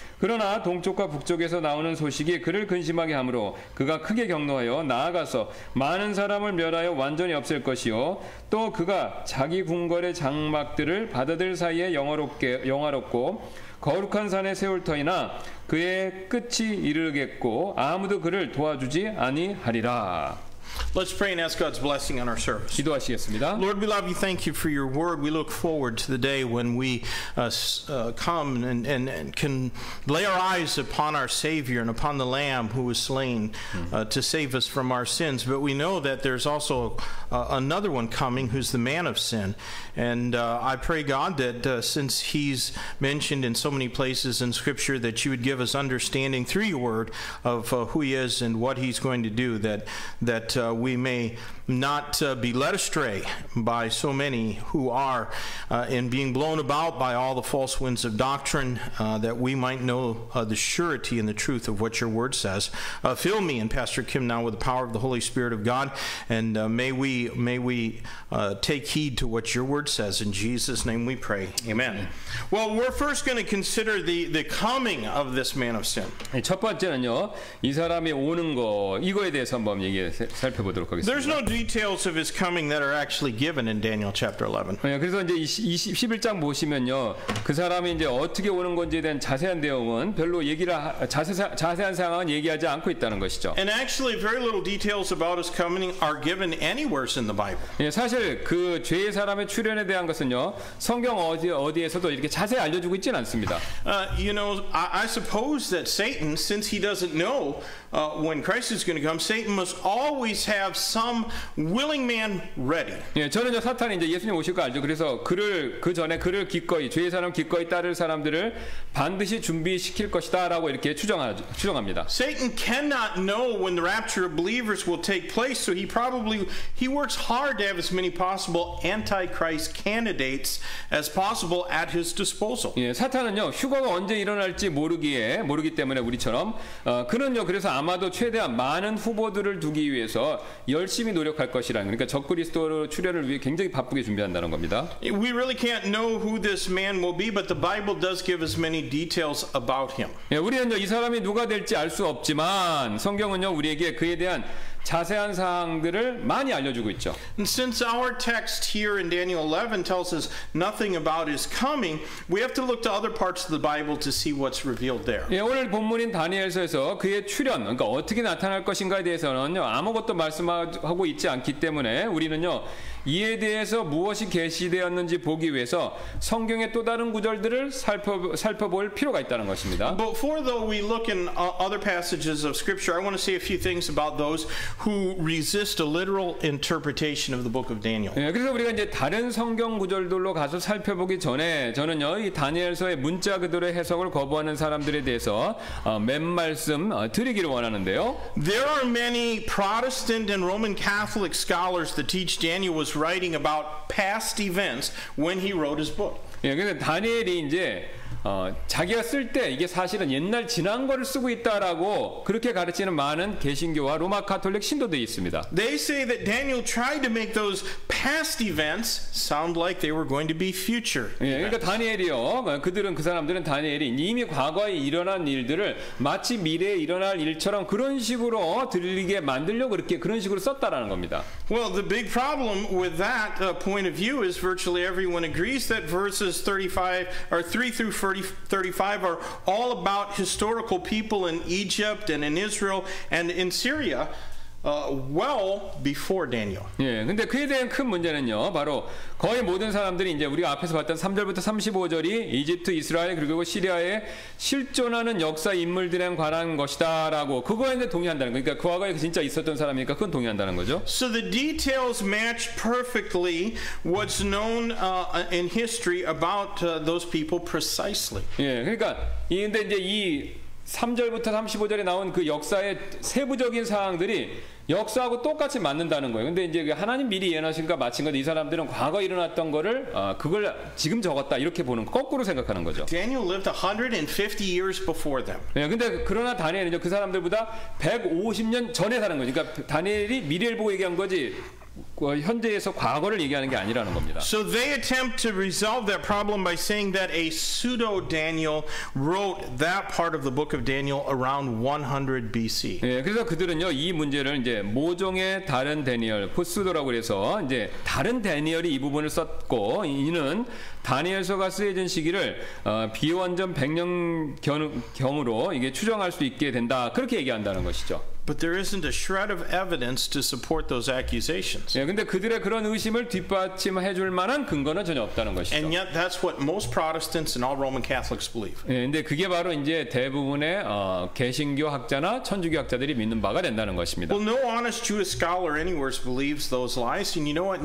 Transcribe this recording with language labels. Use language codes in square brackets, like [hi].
[ko] 그러나 동쪽과 북쪽에서 나오는 소식이 그를 근심하게 하므로 그가 크게 격노하여 나아가서 많은 사람을 멸하여 완전히 없앨 것이요 또 그가 자기 궁궐의 장막들을 바다들 사이에 영화롭고 거룩한 산에 세울 터이나 그의 끝이 이르겠고 아무도 그를 도와주지 아니하리라. [en] Let's pray and ask God's blessing on our service. [ko] 기도하시겠습니다. [en] Lord, we love you. Thank you for your word. We look forward to the day when we come and can lay our eyes upon our Savior and upon the Lamb who was slain to save us from our sins. But we know that there's also another one coming who's the man of sin. And I pray, God, that since he's mentioned in so many places in Scripture, that you would give us understanding through your word of who he is and what he's going to do, that we may not be led astray by so many who are in being blown about by all the false winds of doctrine, that we might know the surety and the truth of what your word says. Fill me and Pastor Kim now with the power of the Holy Spirit of God, and may we take heed to what your word says. In Jesus' name we pray. Amen. Well, we're first going to consider the coming of this man of sin. [ko] 첫 번째는요, 이 사람이 오는 거, 이거에 대해서 한번 살펴보도록 하겠습니다. [en] Details of his coming that are actually given in Daniel chapter 11. [ko] 그래서 이제 11장 보시면요, 그 사람이 이제 어떻게 오는 건지에 대한 자세한 내용은 별로 얘기를 자세한 상황은 얘기하지 않고 있다는 것이죠. [en] And actually, very little details about his coming are given anywhere in the Bible. [ko] 사실 그 죄의 사람의 출현에 대한 것은요, 성경 어디에서도 이렇게 자세히 알려주고 있지는 않습니다. [en] You know, I suppose that Satan, since he doesn't know when Christ is going to come, Satan must always have some willing man ready. [ko] 예, 저는 이제 사탄이 이제 예수님 오실 거 알죠. 그래서 그 전에 그를 기꺼이 죄의 사람 기꺼이 따를 사람들을 반드시 준비시킬 것이다라고 이렇게 추정합니다. [en] Satan cannot know when the rapture of believers will take place, so he works hard to have as many possible antichrist candidates as possible at his disposal. [ko] 예, 사탄은요, 휴거가 언제 일어날지 모르기 때문에 우리처럼 그는요, 그래서 아마도 최대한 많은 후보들을 두기 위해서 열심히 노력할 것이라는, 그러니까 적그리스도로 출현을 위해 굉장히 바쁘게 준비한다는 겁니다. [en] We really can't know who this man will be, but the Bible does give us many details about him. [ko] 예, 우리는 이 사람이 누가 될지 알 수 없지만 성경은요, 우리에게 그에 대한 자세한 사항들을 많이 알려주고 있죠. [en] And since our text here in Daniel 11 tells us nothing about his coming, we have to look to other parts of the Bible to see what's revealed there. [ko] 예, 오늘 본문인 다니엘서에서 그의 출현, 그러니까 어떻게 나타날 것인가에 대해서는요, 아무것도 말씀하고 있지 않기 때문에 우리는요, 이에 대해서 무엇이 계시되었는지 보기 위해서 성경의 또 다른 구절들을 살펴볼 필요가 있다는 것입니다. [en] Before though we look in other passages of scripture, I want to say a few things about those who resist a literal interpretation of the book of Daniel. [ko] 예, 그래서 우리가 이제 다른 성경 구절들로 가서 살펴보기 전에 저는요, 이 다니엘서의 문자 그대로 해석을 거부하는 사람들에 대해서 몇 말씀 드리기를 원하는데요. [en] There are many Protestant and Roman Catholic scholars that teach Daniel was writing about past events when he wrote his book. [ko] 예, 근데 다니엘이 이제 자기가 쓸 때 이게 사실은 옛날 지난 거를 쓰고 있다라고 그렇게 가르치는 많은 개신교와 로마 가톨릭 신도들이 있습니다. [en] They say that Daniel tried to make those past events sound like they were going to be future. [ko] 예, 그러니까 다니엘이요. 그 사람들은 다니엘이 이미 과거에 일어난 일들을 마치 미래에 일어날 일처럼 그런 식으로 들리게 만들려고 그렇게 그런 식으로 썼다라는 겁니다. [en] Well, the big problem with that point of view is virtually everyone agrees that verses 35 or 3 through 35 are all about historical people in Egypt and in Israel and in Syria. well before Daniel. [ko] 예, 근데 그에 대한 큰 문제는요. 바로 거의 모든 사람들이 이제 우리가 앞에서 봤던 3절부터 35절이 이집트, 이스라엘 그리고 시리아의 실존하는 역사 인물들에 관한 것이다라고 그거에 대해 동의한다는 거. 그러니까 그 과거에 진짜 있었던 사람이니까 그건 동의한다는 거죠. [en] So the details match perfectly what's known in history about those people precisely. [ko] 예, 그러니까 근데 이제 이 3절부터 35절에 나온 그 역사의 세부적인 사항들이 역사하고 똑같이 맞는다는 거예요. 근데 이제 하나님 미리 예언하신가 마친 건데 이 사람들은 과거 일어났던 거를 그걸 지금 적었다 이렇게 보는 거꾸로 생각하는 거죠. [en] Daniel lived 150 years before them. [ko] 예, 근데 그러나 다니엘은 그 사람들보다 150년 전에 사는 거죠. 그러니까 다니엘이 미래를 보고 얘기한 거지 현재에서 과거를 얘기하는 게 아니라는 겁니다. [en] So they attempt to resolve that problem by saying that a pseudo Daniel wrote that part of the book of Daniel around 100 BC. [ko] 예, 그래서 그들은요 이 문제를 이제 모종의 다른 다니엘, 푸스도라고 해서 이제 다른 다니엘이 이 부분을 썼고 이는 다니엘서가 쓰여진 시기를 비원전 100년 경으로 이게 추정할 수 있게 된다. 그렇게 얘기한다는 것이죠. [en] But there isn't a shred of evidence to support those accusations. [ko] 예, 근데 그들의 그런 의심을 뒷받침해 줄 만한 근거는 전혀 없다는 것이죠. [en] And yet that's what most Protestants and all Roman Catholics believe. [ko] 예, 근데 그게 바로 이제 대부분의 개신교 학자나 천주교 학자들이 믿는 바가 된다는 것입니다. [en] Well, no honest Jewish scholar anywhere believes those lies, and you know what?